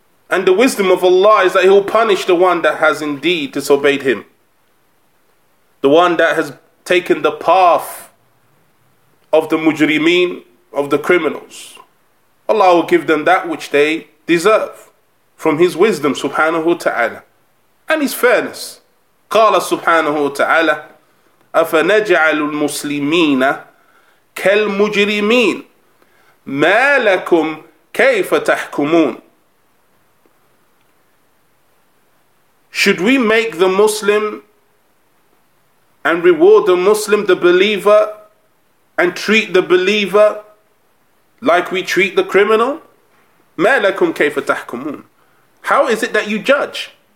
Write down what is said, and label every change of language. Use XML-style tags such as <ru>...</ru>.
<en>And the wisdom of Allah is that He will punish the one that has indeed disobeyed Him. The one that has taken the path of the mujrimeen, of the criminals. Allah will give them that which they deserve from His wisdom subhanahu wa ta'ala and His fairness.</en> <ar>Qala subhanahu wa ta'ala, أَفَنَجْعَلُ الْمُسْلِمِينَ كَالْمُجْرِمِينَ مَا لَكُمْ كَيْفَ تَحْكُمُونَ.</ar> <en>Should we make the Muslim and reward the Muslim, the believer, and treat the believer like we treat the criminal?</en> <ar>مَا لَكُمْ كَيْفَ تَحْكُمُونَ.</ar> <en>How is it that you judge?</en>